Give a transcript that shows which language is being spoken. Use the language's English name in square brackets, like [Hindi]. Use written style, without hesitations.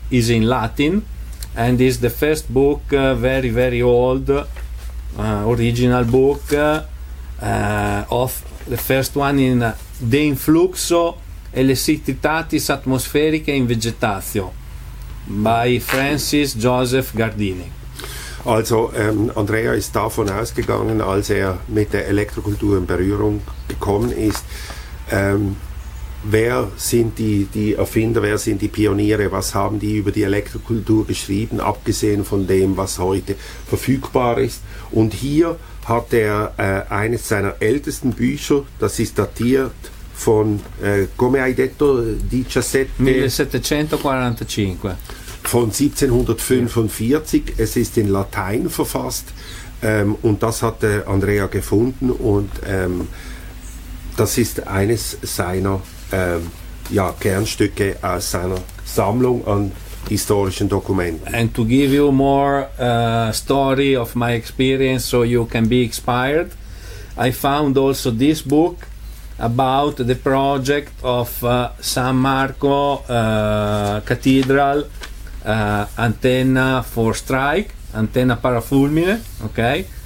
[English] Is in Latin, and is the first book, very very old, original book of the first one in [Latin] De influxo electricitatis atmosferica in vegetatio [English] by Francis Joseph Gardini. [German] Also Andrea ist davon ausgegangen, als er mit der Elektrokultur in Berührung gekommen ist, wer sind die Erfinder, wer sind die Pioniere, was haben die über die Elektrokultur geschrieben, abgesehen von dem, was heute verfügbar ist. Und hier hat er eines seiner ältesten Bücher, das ist datiert von, [Italian] come hai detto, 1745. [German] Von 1745, es ist in Latein verfasst und das hat Andrea gefunden und das ist eines seiner Kernstücke aus seiner Sammlung an historischen Dokumenten. [English] And to give you more story of my experience so you can be inspired, I found also this book about the project of San Marco Cathedral. Antenna for strike, [Italian] antenna para fulmine, [English] okay?